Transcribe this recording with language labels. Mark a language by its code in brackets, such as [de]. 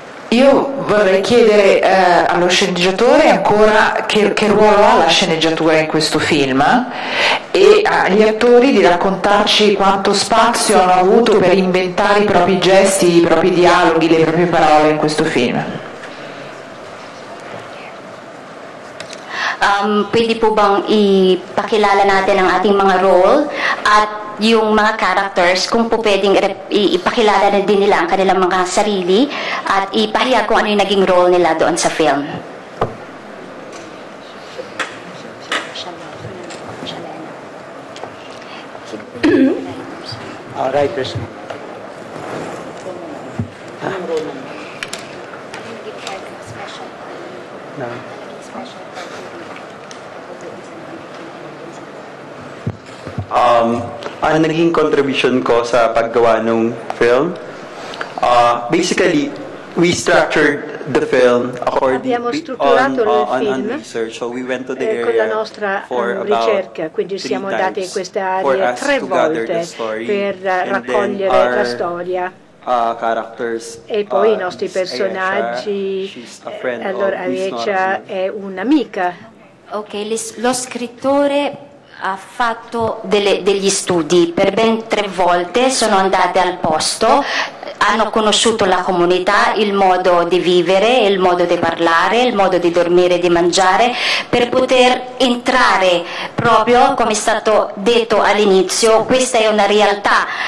[it] Io vorrei chiedere allo sceneggiatore ancora che ruolo ha la sceneggiatura in questo film, e agli attori di raccontarci quanto spazio hanno avuto per inventare i propri gesti, i propri dialoghi, le proprie parole in questo film. [tl] Pwede po bang ipakilala natin ang ating mga role at yung mga characters, kung po pwedeng ipakilala na din nila ang kanilang mga sarili at ipahiya kung ano yung naging role nila doon sa film. [en] All right, Chris. [tl] Ang naging contribution ko sa paggawa ng film, [en] basically we structured the film according on research, so we went to the area [it] con la nostra ricerca, quindi siamo andati in questa area tre volte per raccogliere la storia. [en] Characters, [it] e poi i nostri personaggi. Allora Aiecha è un'amica. Ok, lo scrittore ha fatto degli studi per ben tre volte, sono andate al posto, hanno conosciuto la comunità, il modo di vivere, il modo di parlare, il modo di dormire e di mangiare, per poter entrare proprio, come è stato detto all'inizio, questa è una realtà